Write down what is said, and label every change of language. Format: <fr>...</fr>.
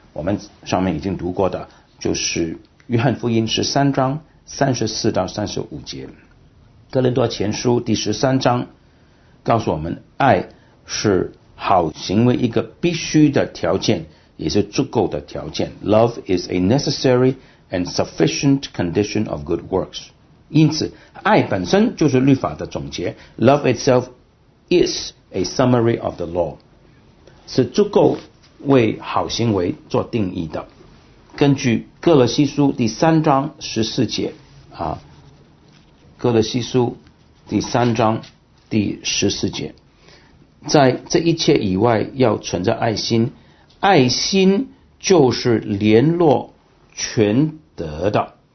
<zh>我们上面已经读过的就是约翰福音13章34到35节，哥林多前书第13章告诉我们，爱是好行为一个必须的条件，也是足够的条件。</zh> <en>Love is a necessary and sufficient condition of good works.</en> <zh>因此爱本身就是律法的总结，</zh> <en>Love itself is a summary of the law，</en> <zh>是足够为好行为做定义的。根据哥罗西书第3章14节哥罗西书第3章第14节，在这一切以外要存着爱心，爱心就是联络全德的。</zh>